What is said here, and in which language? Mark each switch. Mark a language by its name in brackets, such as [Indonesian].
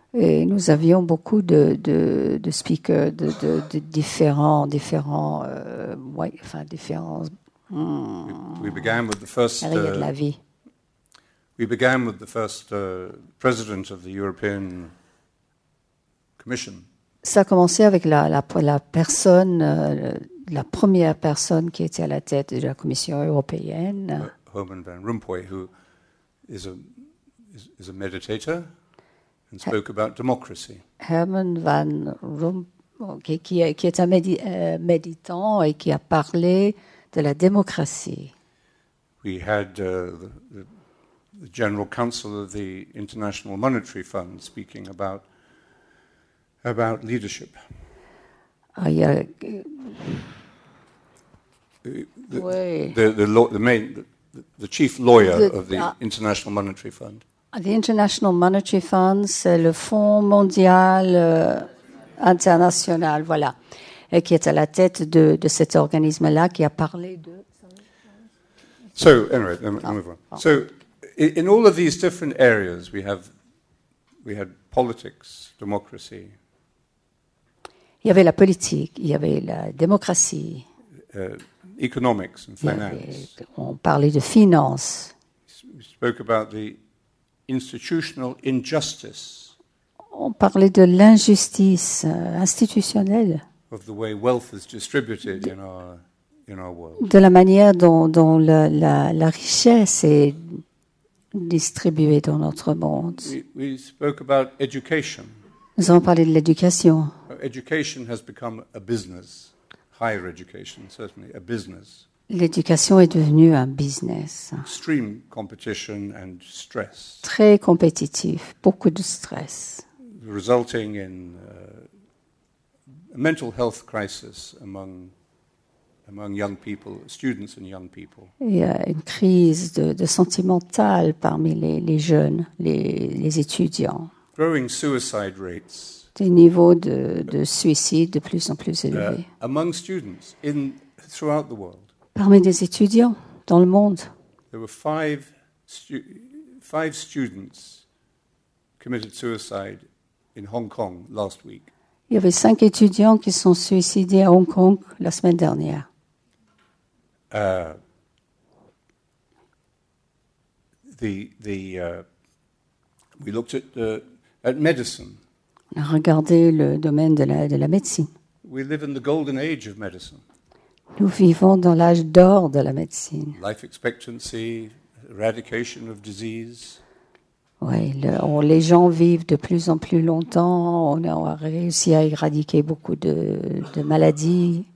[French] Et nous avions beaucoup de speakers de différents ouais, enfin différents. [English] We began with the first. [French] Arrière de la vie. [English] We began with the first president of the European Commission. [French] Ça a commencé avec la personne, la première personne qui était à la tête de la Commission européenne. [English] Herman Van Rompuy, who is a meditator and spoke about democracy. [French] Herman Van Rompuy, qui est un méditant et qui a parlé de la démocratie. [English] We had the General Counsel of the International Monetary Fund speaking about leadership. The chief lawyer of the International Monetary Fund. [French] The International Monetary Fund, c'est le Fonds mondial international, voilà, et qui est à la tête de cet organisme-là, qui a parlé de. [English] So anyway, I'll move on. So in all of these different areas, we had politics, democracy. [French] Il y avait la politique, il y avait la démocratie. [English] Economics and finance. [French] On parlait de finance. [English] We spoke about the institutional injustice. [French] On parlait de l'injustice institutionnelle. [English] Of the way wealth is distributed in our world. [French] De la manière dont la richesse est distribuée dans notre monde. [English] We spoke about education. [French] Nous avons parlé de l'éducation. [English] Education has become a business. Higher education, certainly, a business. [French] L'éducation est devenue un business. [English] Extreme competition and stress. [French] Très compétitif, beaucoup de stress. [English] Resulting in a mental health crisis among young people, students and young people. [French] Il y a une crise de santé mentale parmi les jeunes, les étudiants. [English] Growing suicide rates. [French] Des niveaux de suicide de plus en plus élevés. [English] Among students in throughout the world. [French] Parmi des étudiants dans le monde. [English] There were five students committed suicide in Hong Kong last week. [French] Il y avait 5 étudiants qui sont suicidés à Hong Kong la semaine dernière. [English] We looked at medicine. [French] On a regardé le domaine de la médecine. [English] We live in the golden age of medicine. [French] Nous vivons dans l'âge d'or de la médecine. [English] Life expectancy, eradication of disease. [French] Oui, les gens vivent de plus en plus longtemps. On a réussi à éradiquer beaucoup de maladies.